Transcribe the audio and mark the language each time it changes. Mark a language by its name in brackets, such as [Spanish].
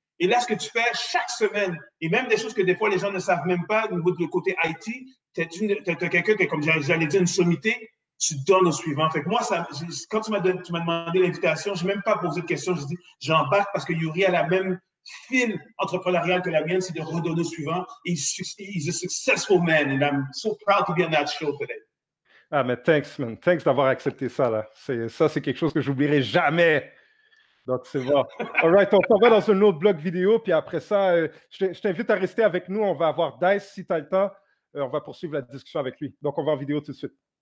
[French] Et là, ce que tu fais chaque semaine, et même des choses que des fois, les gens ne savent même pas au niveau du côté IT, t'es quelqu'un qui est, comme j'allais dire, une sommité, tu donnes au suivant. Fait que moi, ça, quand tu m'as demandé l'invitation, je n'ai même pas posé de question. J'ai dit, j'embarque parce que Yuri a la même file entrepreneuriale que la mienne, c'est de redonner au suivant. [English] He's a successful man, and I'm so proud to be on that show today. [French] Ah, mais [English] thanks, man. [French] Thanks d'avoir accepté ça, là. C'est quelque chose que j'oublierai jamais. Donc, c'est bon. [English] All right, [French] on s'en va dans un autre bloc vidéo, puis après ça, je t'invite à rester avec nous. On va avoir Dice, si tu as le temps. On va poursuivre la discussion avec lui. Donc, on va en vidéo tout de suite.